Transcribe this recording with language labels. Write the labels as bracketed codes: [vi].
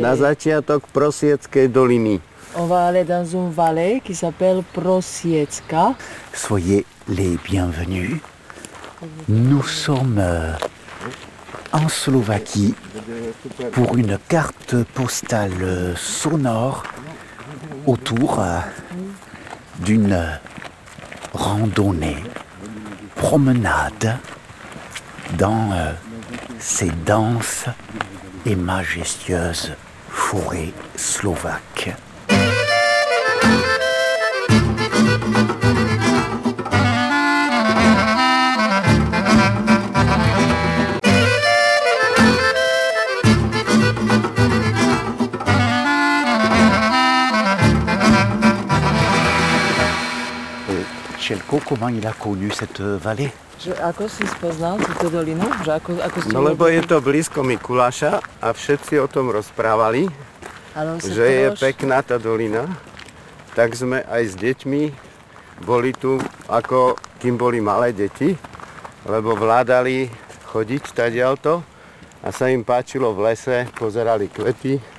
[sk] Na začiatok Prosieckej doliny. [fr] On va aller dans une vallée qui s'appelle Prosiecka. Soyez les bienvenus. Nous sommes en Slovaquie pour une carte postale sonore autour d'une randonnée, promenade dans ces denses et majestueuses forêts slovaques. Čelko, comment il a connu cette vallée? [sk] Že ako si spoznal túto dolinu? Že ako no lebo je to blízko Mikuláša a všetci o tom rozprávali, ale že to je pekná tá dolina. Tak sme aj s deťmi boli tu, ako kým boli malé deti, lebo vládali chodiť tadialto a sa im páčilo v lese, pozerali kvety.